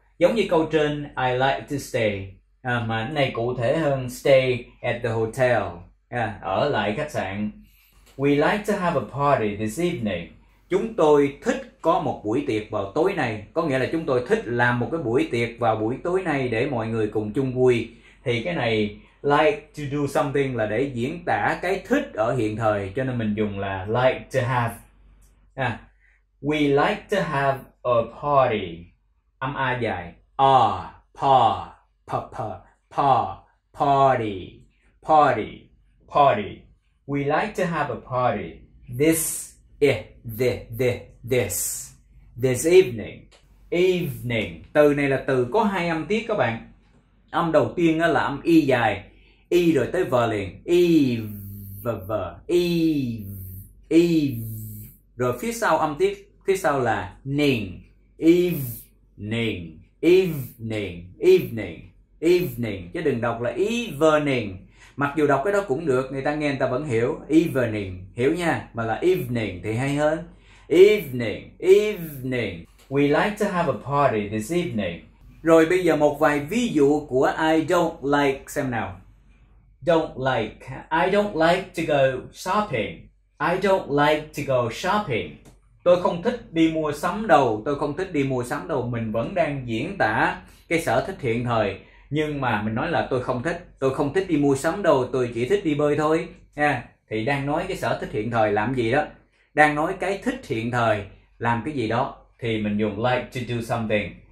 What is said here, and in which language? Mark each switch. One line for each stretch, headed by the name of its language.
Vietnamese: Giống như câu trên
English: I like to stay,
Vietnamese: mà này cụ thể hơn
English: stay at the hotel.
Vietnamese: Ở lại khách sạn.
English: We like to have a party this evening.
Vietnamese: Chúng tôi thích có một buổi tiệc vào tối nay. Có nghĩa là chúng tôi thích làm một cái buổi tiệc vào buổi tối nay để mọi người cùng chung vui. Thì cái này
English: like to do something
Vietnamese: là để diễn tả cái thích ở hiện thời, cho nên mình dùng là
English: like to have. À, we like to have a party.
Vietnamese: Âm A dài.
English: A, pa, pa, pa, pa, party, party, party. We like to have a party this, eh, the, the, this, this evening, evening.
Vietnamese: Từ này là từ có hai âm tiết các bạn. Âm đầu tiên là âm y dài, y rồi tới v liền, y, v, v, y, y, rồi phía sau âm tiết phía sau là ning, evening, evening, evening, evening, chứ đừng đọc là evening. Mặc dù đọc cái đó cũng được, người ta nghe người ta vẫn hiểu evening, hiểu nha, mà là evening thì hay hơn.
English: Evening, evening, we like to have a party this evening.
Vietnamese: Rồi bây giờ một vài ví dụ của
English: I don't like
Vietnamese: xem nào.
English: Don't like, I don't like to go shopping. I don't like to go shopping.
Vietnamese: Tôi không thích đi mua sắm đâu, tôi không thích đi mua sắm đâu. Mình vẫn đang diễn tả cái sở thích hiện thời, nhưng mà mình nói là tôi không thích đi mua sắm đâu, tôi chỉ thích đi bơi thôi nha. Thì đang nói cái sở thích hiện thời làm gì đó, đang nói cái thích hiện thời làm cái gì đó, thì mình dùng
English: like to do something.